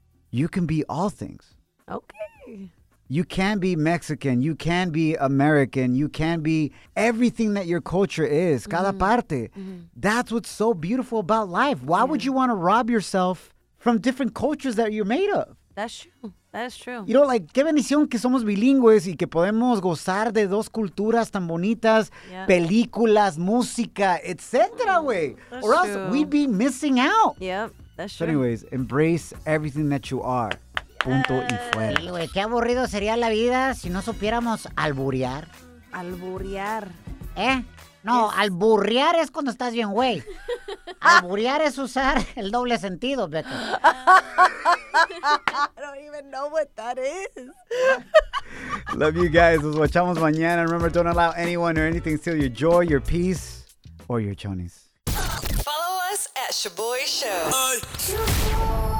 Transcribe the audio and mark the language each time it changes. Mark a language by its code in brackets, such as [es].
[en] You can be all things. Okay. You can be Mexican. You can be American. You can be everything that your culture is. Mm-hmm. [es] Cada parte. [en] Mm-hmm. That's what's so beautiful about life. Why would you want to rob yourself from different cultures that you're made of? That's true. That's true. You know, like, [es] qué bendición que somos bilingües y que podemos gozar de dos culturas tan bonitas, películas, música, etc. [en] Way. Or true. Else we'd be missing out. Yep. That's true. So anyways, embrace everything that you are. [es] Punto y fuera. Sí, güey, qué aburrido sería la vida si no supiéramos alburear. Alburear. ¿Eh? No, [en] yes. [es] Alburear es cuando estás bien, güey. Alburear es usar el doble sentido, Beto. [en] I don't even know what that is. Love you guys. [es] Nos watchamos mañana. [en] Remember, don't allow anyone or anything to steal your joy, your peace, or your chonies. Follow us at Shaboy Show.